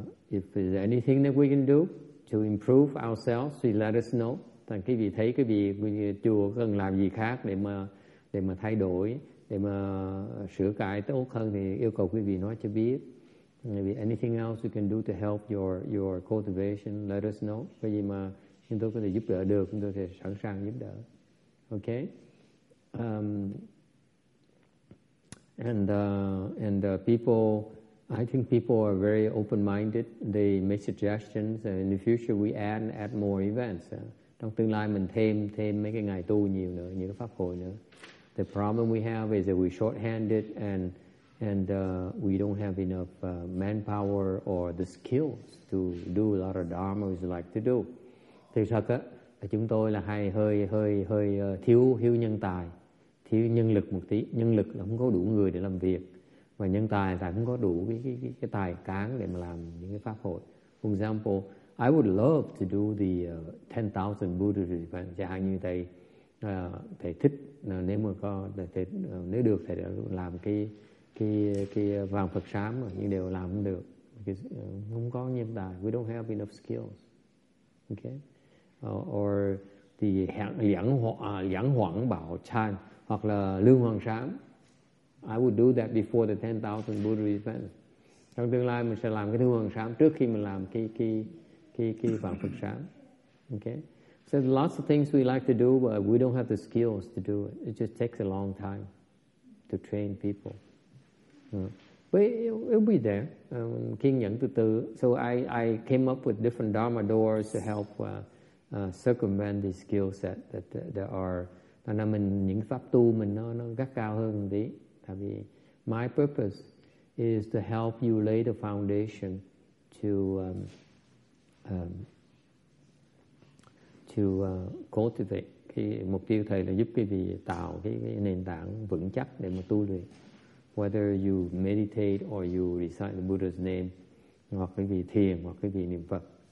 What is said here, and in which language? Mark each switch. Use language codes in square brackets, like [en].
[en] If there's anything that we can do to improve ourselves, please let us know. [vi] Thằng quý vị thấy cái gì chùa cần làm gì khác để mà thay đổi, để mà sửa cải tốt hơn thì yêu cầu quý vị nói cho biết. [en] Maybe anything else we can do to help your cultivation, let us know. [vi] Cái gì mà chúng tôi có thể giúp đỡ được, chúng tôi sẽ sẵn sàng giúp đỡ. [en] Okay. And people, I think people are very open-minded. They make suggestions. In the future, we add more events. [vi] Trong tương lai mình thêm mấy cái ngày tu nhiều nữa, nhiều cái pháp hội nữa. [en] The problem we have is that we're short-handed and we don't have enough manpower or the skills to do a lot of dharma we'd like to do. [vi] Thực thật á, chúng tôi là hơi thiếu nhân tài, thiếu nhân lực một tí. Nhân lực là không có đủ người để làm việc, và nhân tài là không có đủ cái tài cán để mà làm những cái pháp hội. [en] For example, I would love to do the 10,000 Buddha event. [vi] Chẳng hạn như thầy thích, nếu mà có nếu được thầy làm cái vàng Phật sám, nhưng đều làm không được, không có nhân tài. [en] We don't have enough skills. Okay. Or the Liễng Hoảng Bảo Chan, hoặc là Lương Hoàng Sám. I would do that before the 10,000 Buddha event. [vi] Trong tương lai mình sẽ làm cái Lương Hoàng Sám trước khi mình làm cái vàng Phật sám. [en] Okay. So lots of things we like to do, but we don't have the skills to do it. It just takes a long time to train people. But it'll be there. [vi] Kiên nhẫn từ từ. [en] So I came up with different Dharma doors to help circumvent the skill set that there are. [vi] Nên mình những pháp tu mình nó gắt cao hơn một tí. Tại vì [en] my purpose is to help you lay the foundation to cultivate. [vi] Cái mục tiêu thầy là giúp quý vị tạo cái nền tảng vững chắc để mà tu luyện. [en] Whether you meditate or you recite the Buddha's name, [vi] hoặc quý vị thiền, hoặc quý vị niệm Phật.